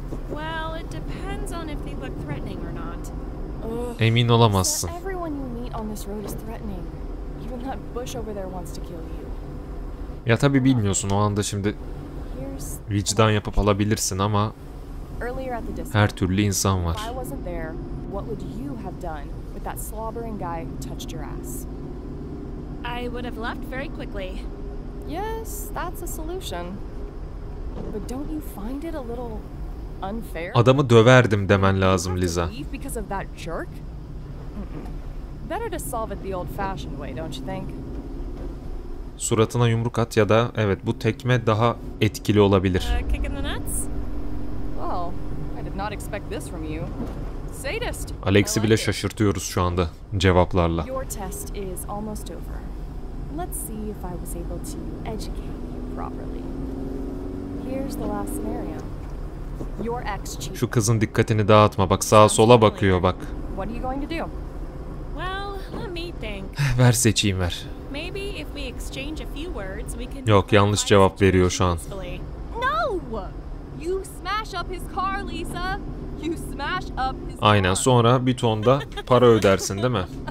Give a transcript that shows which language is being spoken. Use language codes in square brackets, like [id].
[en] Well, it depends on if they look threatening or not. [tr] Emin olamazsın. [en] Everyone you meet on this road is threatening. Even that bush over there wants to kill you. [tr] Ya tabii bilmiyorsun, o anda şimdi vicdan yapıp alabilirsin ama her türlü insan var. [en] If I wasn't there, what would you have done with that slobbering guy who touched your ass? I would have left very quickly. Yes, that's a solution. But don't you find it a little unfair? [tr] Adamı döverdim demen lazım Liza. [en] Because of that jerk? Better to solve it the old-fashioned way, don't you think? [tr] Suratına yumruk at ya da evet, bu tekme daha etkili olabilir. [en] Kick in the nuts? Well, I did not expect this from you. [tr] Sadist. Alex'i bile şaşırtıyoruz şu anda cevaplarla. [en] Your test is almost over. Let's see if I was able to educate you properly. Here's the last scenario. Your ex cheated. [tr] Şu kızın dikkatini dağıtma. Bak sağa sola bakıyor bak. [en] What are you going to do? Well, let me think. [tr] Ver seçeyim ver. [en] Maybe if we exchange a few words, we can. [tr] Yok, yanlış cevap veriyor şu an. [en] No! You smash up his car, Lisa. You smash up his car. [tr] Aynen, sonra bir tonda para ödersin, değil mi?